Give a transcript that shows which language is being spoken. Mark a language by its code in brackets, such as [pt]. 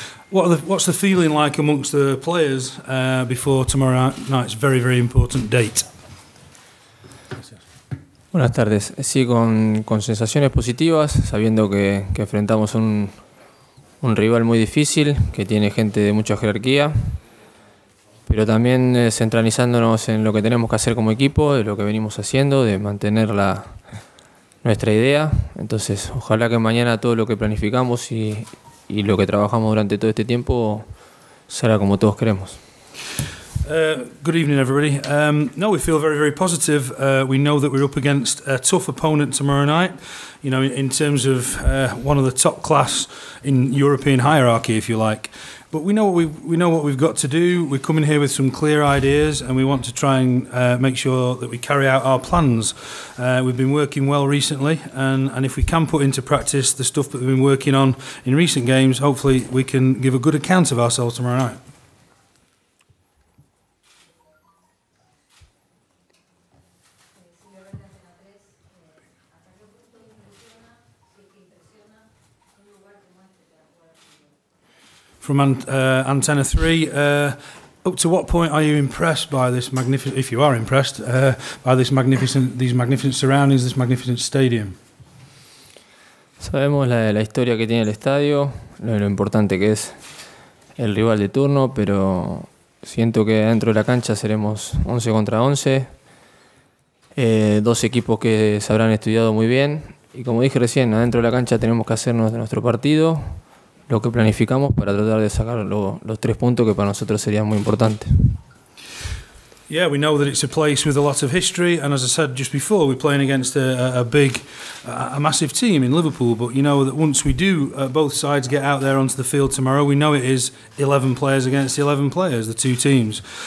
[en] What's the feeling like amongst the players before tomorrow night's very, very important date? [es] Buenas tardes. Sí, con sensaciones positivas, sabiendo que enfrentamos un rival muy difícil, que tiene gente de mucha jerarquía, pero también centralizándonos en lo que tenemos que hacer como equipo, de lo que venimos haciendo, de mantener nuestra idea. Entonces, ojalá que mañana todo lo que planificamos y lo que trabajamos durante todo este tiempo será como todos queremos. [en] Good evening, everybody. No, we feel very, very positive. We know that we're up against a tough opponent tomorrow night. You know, in terms of one of the top class in European hierarchy, if you like. But we know what we've got to do. We're coming here with some clear ideas, and we want to try and make sure that we carry out our plans. We've been working well recently, and if we can put into practice the stuff that we've been working on in recent games, hopefully we can give a good account of ourselves tomorrow night. From Antenna 3, up to what point are you impressed by this magnificent, if you are impressed, by this magnificent, these magnificent surroundings, this magnificent stadium? [es] Sabemos la historia que tiene el estadio, lo importante que es el rival de turno, pero siento que dentro de la cancha seremos 11 contra 11, dos equipos que se habrán estudiado muy bien, y como dije recién, adentro de la cancha tenemos que hacernos nuestro partido, lo que planificamos para tratar de sacar los tres puntos que para nosotros serían muy importantes. [en] Yeah, we know that it's a place with a lot of history, and as I said just before, we're playing against a massive team in Liverpool, but you know that once we do, both sides get out there onto the field tomorrow, we know it is 11 players against 11 players, the two teams.